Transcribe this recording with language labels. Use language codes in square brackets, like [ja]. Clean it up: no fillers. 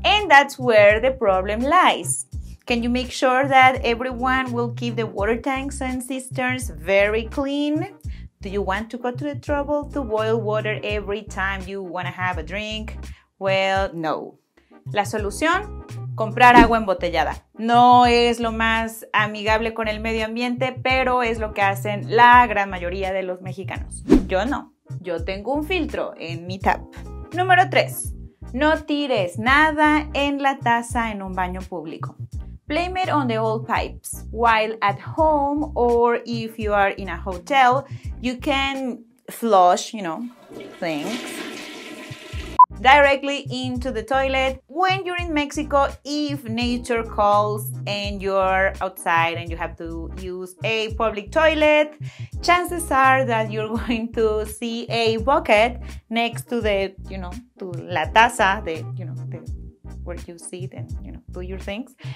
[en] And that's where the problem lies. Can you make sure that everyone will keep the water tanks and cisterns very clean? Do you want to go to the trouble to boil water every time you want to have a drink? Well, no. [es] La solución, comprar agua embotellada. No es lo más amigable con el medio ambiente, pero es lo que hacen la gran mayoría de los mexicanos. Yo no. Yo tengo un filtro en mi [en] tap. [es] Número 3. No tires nada en la taza en un baño público. [en] Blame it on the old pipes. While at home or if you are in a hotel, you can flush, you know, things directly into the toilet. When you're in Mexico, if nature calls and you're outside and you have to use a public toilet, chances are that you're going to see a bucket next to the, you know, to la taza, the, you know, the, where you sit and, you know, do your things.